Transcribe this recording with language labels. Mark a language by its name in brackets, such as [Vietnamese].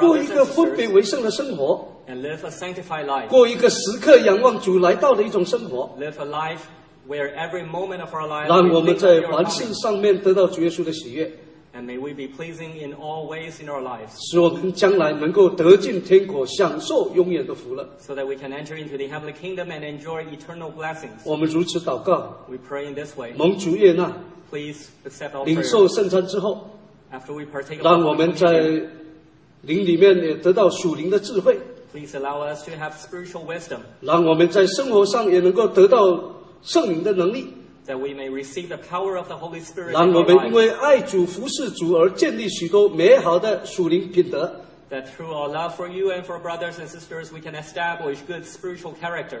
[Chinese] 过一个分别为圣的生活。 [English] And live a sanctified life. [Chinese] 过一个时刻仰望主来到的一种生活。 [English] Live a life where every moment of our life [Chinese] 让我们在环境上面得到主耶稣的喜悦 [English] and may we be pleasing in all ways in our lives [Chinese] 使我们将来能够得进天国享受永远的福乐 [English] so that we can enter into the heavenly kingdom and enjoy eternal blessings [Chinese] 我们如此祷告 [English] we pray in this way [Chinese] 蒙主悦纳 [English] please accept our [Chinese] 领受圣餐之后 [English] after we partake [Chinese] 让我们在灵里面也得到属灵的智慧 [English] please allow us to have spiritual wisdom [Chinese] 让我们在生活上也能够得到圣灵的能力 [English] that we may receive the power of the Holy Spirit [Chinese] 让我们因为爱主服侍主而建立许多美好的属灵品德 [English] that through our love for you and for brothers and sisters we can establish good spiritual character